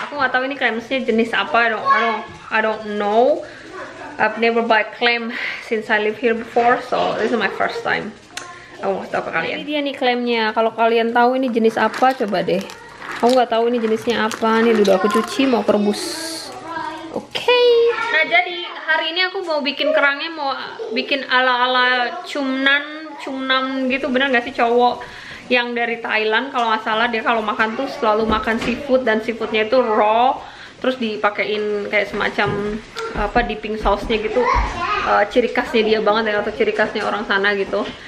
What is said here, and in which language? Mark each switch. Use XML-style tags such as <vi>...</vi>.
<id>Aku nggak tahu ini clamsnya jenis apa.</id> <en>I don't know. I've never buy clam since I live here before, so this is my first time.</en> <id>Aku mau tahu ke kalian. Ini dia nih clamnya. Kalau kalian tahu ini jenis apa, coba deh. Aku nggak tahu ini jenisnya apa. Nih dulu aku cuci mau perbus. Okay. Nah jadi hari ini aku mau bikin kerangnya, mau bikin ala-ala cumnam gitu, benar gak sih cowok yang dari Thailand kalau gak salah dia kalau makan tuh selalu makan seafood dan seafoodnya itu raw terus dipakein kayak semacam apa dipping sauce-nya gitu, ciri khasnya dia banget ya, atau ciri khasnya orang sana gitu.</id>